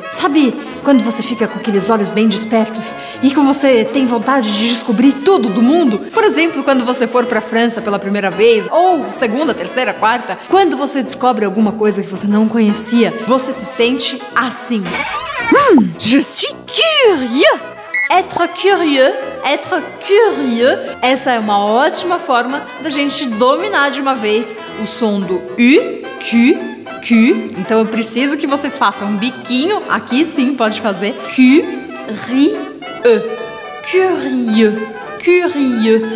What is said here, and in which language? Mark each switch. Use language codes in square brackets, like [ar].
[pt] Sabe quando você fica com aqueles olhos bem despertos e que você tem vontade de descobrir tudo do mundo? Por exemplo, quando você for para a França pela primeira vez, ou segunda, terceira, quarta, quando você descobre alguma coisa que você não conhecia, você se sente assim. [fr] Je suis curieux! Être curieux, être curieux. [pt] Essa é uma ótima forma da gente dominar de uma vez o som do U, Q, Q. Então eu preciso que vocês façam um biquinho. Aqui sim, pode fazer. [fr] Q, ri, e. Curieux, curieux.